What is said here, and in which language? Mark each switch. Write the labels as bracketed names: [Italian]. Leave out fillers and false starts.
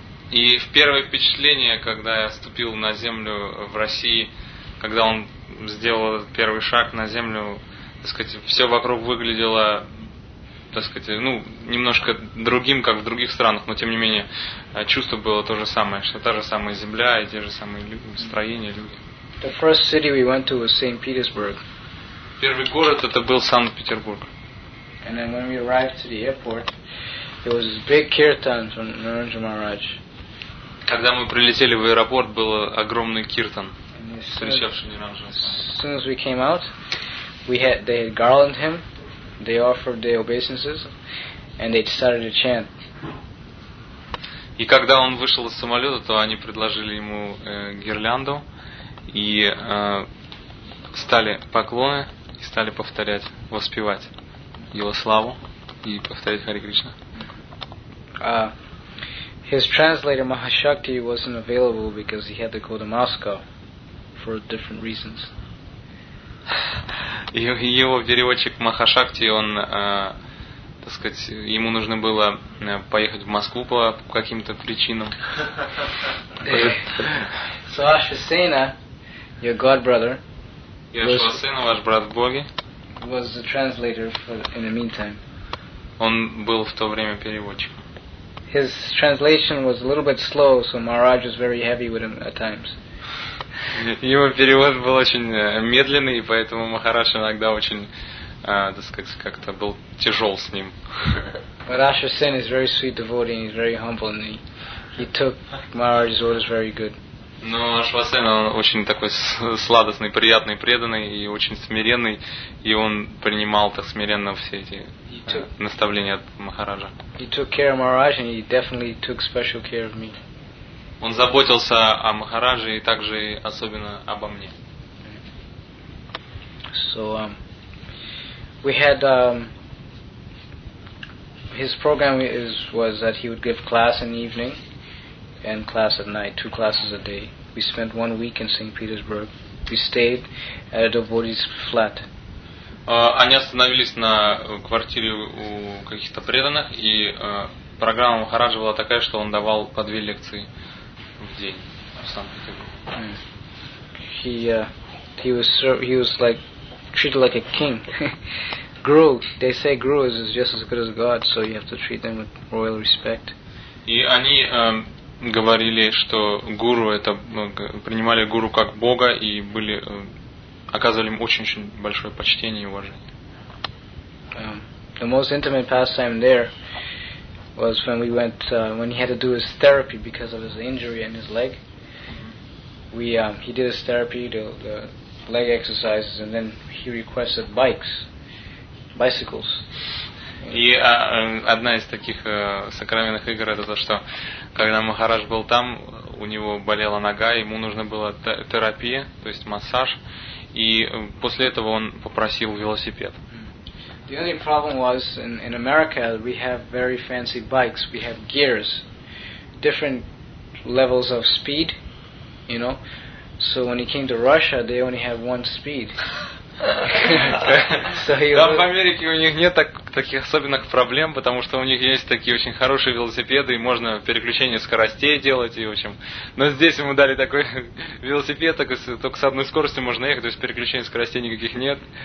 [Russian] И в первое впечатление, когда я ступил на землю в России, когда он сделал первый шаг на землю, так сказать, все вокруг выглядело, так сказать, ну, немножко другим, как в других странах, но тем не менее чувство было то же самое, что та же самая земля и те же самые строения, люди. [English] The first city we went to was Saint Petersburg. [Russian] Первый город это был Санкт-Петербург. [English] And then when we arrived to the airport, it was big kirtan from Narendra Maharaj. [Russian] Когда мы прилетели в аэропорт, был огромный киртан, встречавший Нирамджа. [English] As soon as we came out, they had garlanded him, they offered their obeisances, and they started to chant. [Russian] И когда он вышел из самолета, то они предложили ему гирлянду и стали поклоны и стали повторять, воспевать его славу и повторять Хари Кришна. [English] His translator Mahashakti wasn't available because he had to go to Moscow for different reasons. [Russian] Его переводчик Махашакти, он, так сказать, ему нужно было поехать в Москву по каким-то причинам. [English] So Ashwasena, your god brother, [Russian] ваш брат в Боге, [English] was the translator in the meantime. [Russian] Он был в то время переводчиком. [English] His translation was a little bit slow, so Maharaj was very heavy with him at times. [Russian] Его перевод был очень медленный, поэтому Махарадж иногда очень, так сказать, как-то был тяжел с ним. [English] But Ashwasena is very sweet devotee, he's very humble, and he took Maharaj's orders very good. [Russian] Но Ашвасена, он очень такой сладостный, приятный, преданный и очень смиренный, и он принимал так смиренно все эти наставления от Махараджа. [English] He took care of Maharaj and he definitely took special care of me. [Russian] Он заботился о Махарадже и также особенно обо мне. [English] So we had his program was that he would give class in the evening and class at night, two classes a day. We spent 1 week in St. Petersburg. We stayed at a devotee's flat. [Russian] Они остановились на квартире у каких-то преданных, и программа Махараджа была такая, что он давал по две лекции в день в Санкт-Петербурге. [English] He was like treated like a king. Guru, they say Guru is just as good as God, so you have to treat them with royal respect. [Russian] И они говорили, что Гуру это принимали Гуру как Бога и были оказывали им очень-очень большое почтение и уважение. [English] The most intimate pastime there was when we went when he had to do his therapy because of his injury in his leg. He did his therapy, the leg exercises, and then he requested bicycles. [Russian] И одна из таких сокровенных игр это то, что когда Махарадж был там, у него болела нога, ему нужна была терапия, то есть массаж. И после этого он попросил велосипед. [English] The only problem was in America we have very fancy bikes. We have gears, different levels of speed, you know. So when he came to Russia, they only have one speed. [Russian] Там в Америке у них нет таких особенных проблем, потому что у них есть такие очень хорошие велосипеды, и можно переключение скоростей делать, и в общем. Но здесь ему дали такой велосипед, только с одной скоростью можно ехать, то есть переключений скоростей никаких нет.